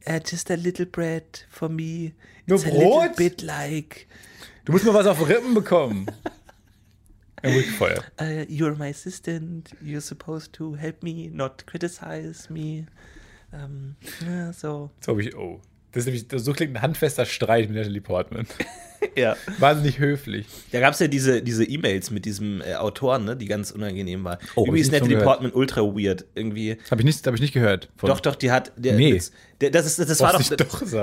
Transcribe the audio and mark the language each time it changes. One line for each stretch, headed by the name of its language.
English: Just a little bread for me.
German: Nur
English: it's
German: Brot?
English: A little bit like.
German: Du musst mal was auf Rippen bekommen. Dann wurde ich gefeuert.
English: You're my assistant. You're supposed to help me, not criticize me. So
German: habe ich, oh. Das ist nämlich, so klingt ein handfester Streit mit Natalie Portman. Ja. Wahnsinnig höflich. Da gab es ja diese E-Mails mit diesem Autoren, ne, die ganz unangenehm waren. Oh, irgendwie ist Natalie Portman ultra weird. Irgendwie. Hab ich nicht gehört. Von. Doch, die hat. Der, nee. Das war doch.